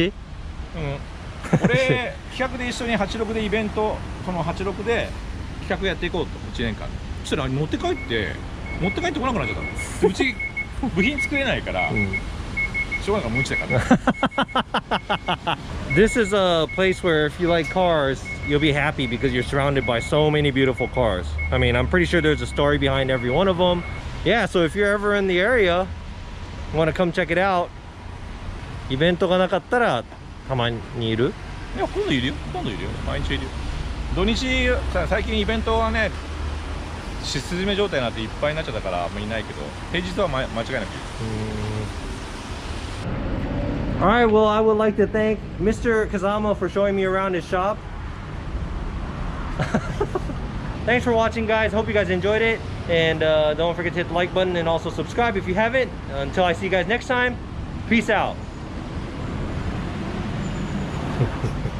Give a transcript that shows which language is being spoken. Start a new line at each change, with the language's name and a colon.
Japanese: うん、これ企画で一緒に86でイベント、その86で企画やっていこうと1年間そしたら持って帰ってこなくなっちゃった。うち部品作れないから、うん、しょうがないから無知だから、ね、
English: This is a place where if you like carsYou'll be happy because you're surrounded by so many beautiful cars. I mean, I'm pretty sure there's a story behind every one of them. Yeah, so if you're ever in the area, want to come check it out.
Japanese: イベントがなかったらたまにいる？いや、今度いるよ。毎日いるよ。土日、最近イベントはね、しすじめ状態になっていっぱいになっちゃったからあんまりいないけど、平日は間違いなく。
English: All right, well, I would like to thank Mr. Kazama for showing me around his shop. Thanks for watching, guys. Hope you guys enjoyed it. And、don't forget to hit the like button and also subscribe if you haven't. Until I see you guys next time, peace out.